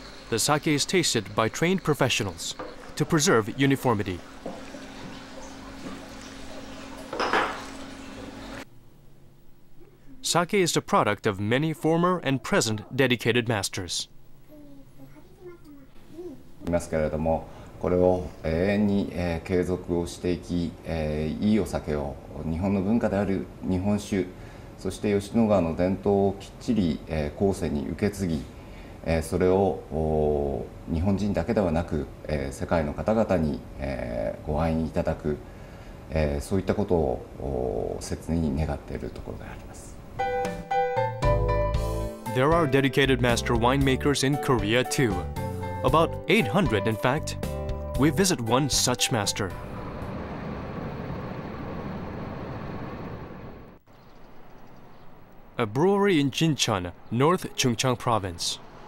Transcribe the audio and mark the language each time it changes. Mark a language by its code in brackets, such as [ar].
[en] The sake is tasted by trained professionals to preserve uniformity. Sake is the product of many former and present dedicated masters. [ja] ますけれどもこれを永遠に継続をしていき、いいお酒を日本の文化である日本酒、そして吉野川の伝統をきっちり後世に受け継ぎ、それを日本人だけではなく世界の方々にご愛いただく、そういったことを切に願っているところであります。 [en] There are dedicated master winemakers in Korea too. About 800 in fact. We visit one such master. A brewery in Jincheon, North Chungcheong Province.